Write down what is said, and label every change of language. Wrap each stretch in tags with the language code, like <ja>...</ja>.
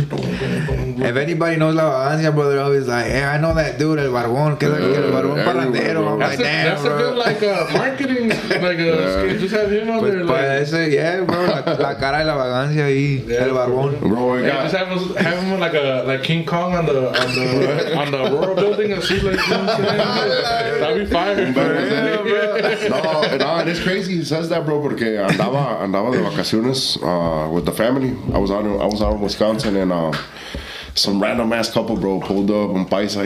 <en>if anybody knows La Vagancia, bro, they're always like, hey, I know that dude,</en> <es>el barbón. Que es el barbón parandero.</es> <en>I'm like, damn, bro. That's a good, like, marketing, like, just have him on there. Like, yeah, bro.</en> <es>La cara de La Vagancia ahí, yeah, el barbón.</es> <en>Bro, yeah, just have him like a like King Kong on the Aurora building and see, like, you know what I'm saying? That'd be fire. Bro. Yeah, bro. No, it's crazy he says that, bro,</en> <es>porque andaba de vacaciones</es> <en>with the family. I was out in Wisconsin, and some random ass couple, bro, pulled up on paisa.</en>